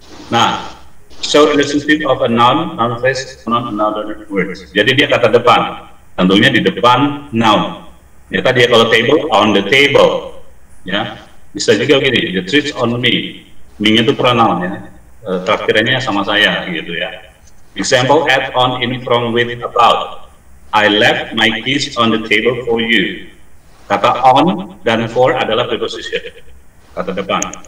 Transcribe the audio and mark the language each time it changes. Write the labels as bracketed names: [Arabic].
[English] Nah, show relationship of a noun, noun phrase, pronoun, another word. [Indonesian] Jadi dia kata depan, tentunya di depan noun. Ya tadi kalau table [English] on the table, [Indonesian] ya. Bisa juga gini, [English] the treats on me. [Indonesian] Me itu pranoun ya. Terakhirnya sama saya gitu ya. [English] Example, add on, in, from, with, about. I left my keys on the table for you. [Indonesian] Kata on dan for adalah preposition, kata depan.